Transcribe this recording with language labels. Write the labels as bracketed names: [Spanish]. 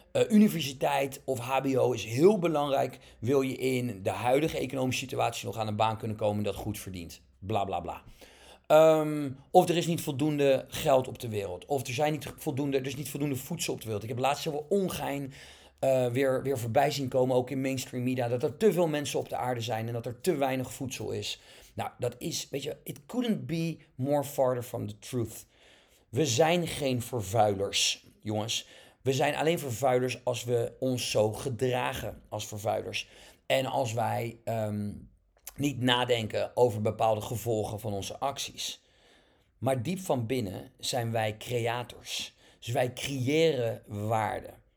[Dutch] Universiteit of HBO is heel belangrijk. Wil je in de huidige economische situatie nog aan een baan kunnen komen dat goed verdient? Bla bla bla. Of er is niet voldoende geld op de wereld. Of er is niet voldoende voedsel op de wereld. Ik heb laatst wel ongein weer voorbij zien komen, ook in mainstream media, dat er te veel mensen op de aarde zijn en dat er te weinig voedsel is. Nou, dat is, weet je, [English] it couldn't be more farther from the truth. [Dutch] We zijn geen vervuilers, jongens. We zijn alleen vervuilers als we ons zo gedragen als vervuilers. En als wij niet nadenken over bepaalde gevolgen van onze acties. Maar diep van binnen zijn wij creators. Dus wij creëren waarde.